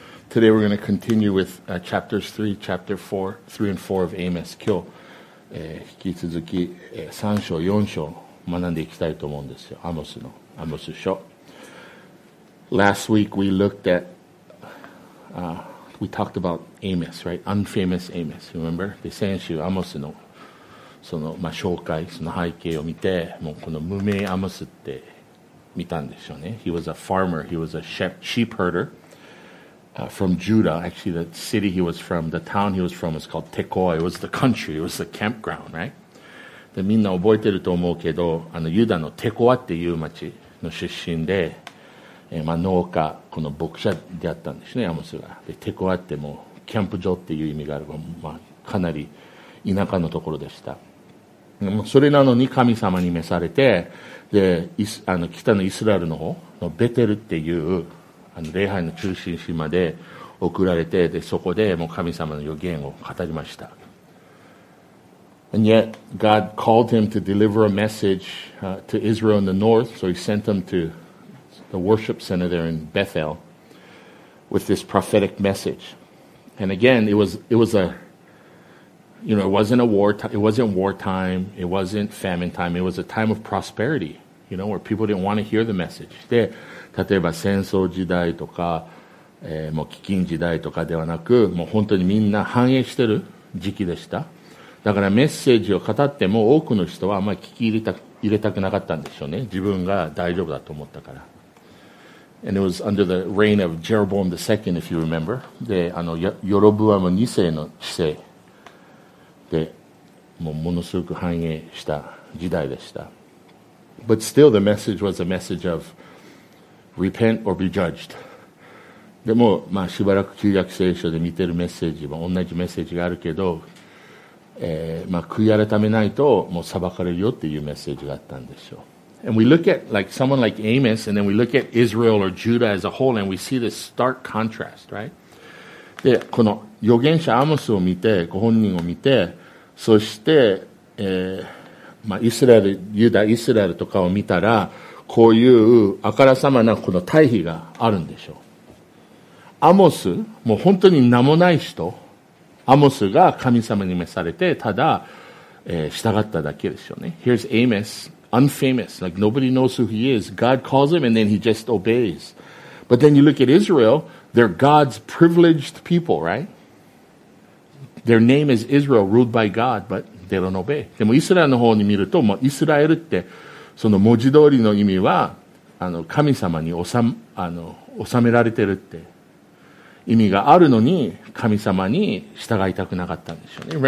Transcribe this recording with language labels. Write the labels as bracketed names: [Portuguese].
[English] Today we're going to continue with chapter 3 and 4 of Amos. [Japanese] 今日、引き続き、3章4章学んでいきたいと思うんですよ。アモスの、アモス書。 [English] Last week we looked at, we talked about Amos, right? Unfamous Amos, remember? [Japanese] で、先週アモスの、その、まあ、紹介、その背景を見て、もうこの無名アモスって見たんでしょうね。 [English] He was a farmer, he was a sheep herder. From Judah, actually the city he was from, the town he was from was called Tekoa. It was the country, it was the campground, right? [Japanese] で、みんな覚えてると思うけど、あのユダのテコアっていう町の出身で、まあ、農家、この牧者であったんですね、アモスが。で、テコアってもうキャンプ場っていう意味があるから、まあ、かなり田舎のところでした。でもそれなのに神様に召されて、で、あの北のイスラエルの方のベテルっていう、あの礼拝の中心地まで送られて、でそこでもう神様の予言を語りました。 [English] And yet God called him to deliver a message、to Israel in the north, so he sent him to the worship center there in Bethel with this prophetic message. And again, it wasn't wartime, it wasn't famine time, it was a time of prosperity, you know, where people didn't want to hear the message. [Japanese] で例えば戦争時代とか、もう飢饉時代とかではなく、もう本当にみんな繁栄してる時期でした。だからメッセージを語っても多くの人はあんまり聞き入れたくなかったんでしょうね。自分が大丈夫だと思ったから。 [English] And it was under the reign of Jeroboam II, if you remember. [Japanese] で、あの、ヨロブアム2世の治世で、もうものすごく繁栄した時代でした。 [English] But still the message was a message ofRepent or be judged. [Japanese] でも、まあ、しばらく旧約聖書で見てるメッセージも同じメッセージがあるけど、まあ、悔い改めないともう裁かれるよっていうメッセージがあったんでしょう。 [English] And we look at like someone like Amos, and then we look at Israel or Judah as a whole, and we see this stark contrast, right? [Japanese] で、この預言者アモスを見て、ご本人を見て、そして、まあ、イスラエル、ユダ、イスラエルとかを見たら、こういうあからさまなこの対比があるんでしょう。アモス、もう本当に名もない人、アモスが神様に召されて、ただ、従っただけですよね。 [English] Here's Amos, unfamous, like nobody knows who he is. God calls him and then he just obeys. But then you look at Israel, they're God's privileged people, right? Their name is Israel, ruled by God, but they don't obey. [Japanese] でもイスラエルの方に見ると、もうイスラエルってその文字通りの意味はあの神様に治められてるって意味があるのに神様に従いたくなかったんでしょうね。